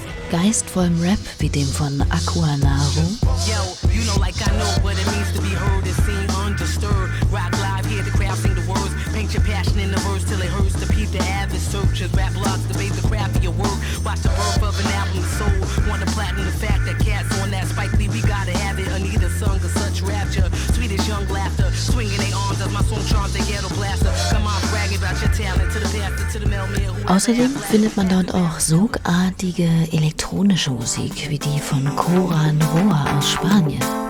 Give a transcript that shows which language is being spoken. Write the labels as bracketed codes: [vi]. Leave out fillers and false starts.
[de] Geistvollem Rap wie dem von Aqua Naro. [en] Yo, you know like I know what it means to be heard and seen undisturbed. Rock live, hear the crowd sing the words. Paint your passion in the verse till it hurts to peep the avid searchers. Rap blogs debate the craft of your work. Watch the birth of an album soul. Want to platinum the fact that cats on that Spike Lee, we gotta have it. Anita sung of such rapture. Sweetest young laughter. Swinging they arms as my song charms the ghetto blaster. Come on, brag about your talent to the pastor, to the mailman. [de] Außerdem findet man dort auch sogartige elektronische Musik, wie die von Cora Noroa aus Spanien.